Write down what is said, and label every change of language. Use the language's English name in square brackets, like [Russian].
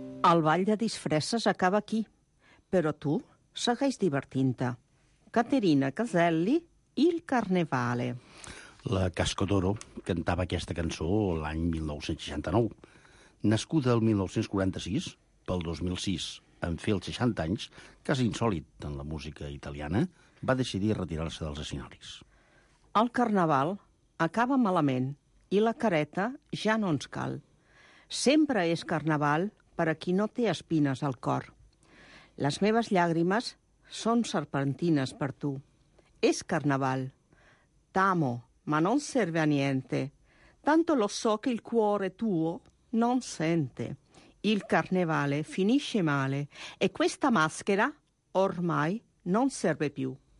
[Catalan] El ball de disfresses acaba aquí, però tu segueix divertint-te. [Italian] Caterina Caselli, Il Carnevale. [Catalan] La Casco d'Oro cantava aquesta cançó l'any 1969. Nascuda el 1946, pel 2006, en fer els 60 anys, quasi insòlit en la música italiana, va decidir retirar-se dels escenaris. El carnaval acaba malament i la careta ja no ens cal. Sempre és carnaval per a qui no té espines al cor. Les meves llàgrimes són serpentines per tu. És carnaval. [Italian] T'amo, ma non serve a niente. Tanto lo so che il cuore tuo non sente. Il carnevale finisce male e questa maschera ormai non serve più.